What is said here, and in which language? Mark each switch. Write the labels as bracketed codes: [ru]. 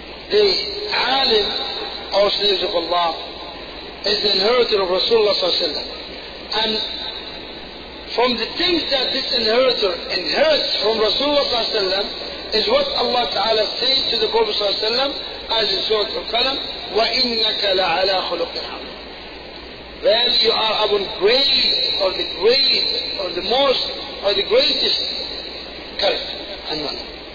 [en] The alim, O slaves of Allah, is the inheritor of Rasulullah sallallahu alaihi wasallam. And from the things that this inheritor inherits from Rasulullah sallallahu alaihi wasallam is what Allah Ta'ala says to the Prophet sallallahu alaihi wasallam. As in Surah Al-Qalam, [ar] وَإِنَّكَ لَعَلَىٰ خُلُقٍ حَمْدٍ. [en] Well, you are upon great, or the most, or the greatest character and manner.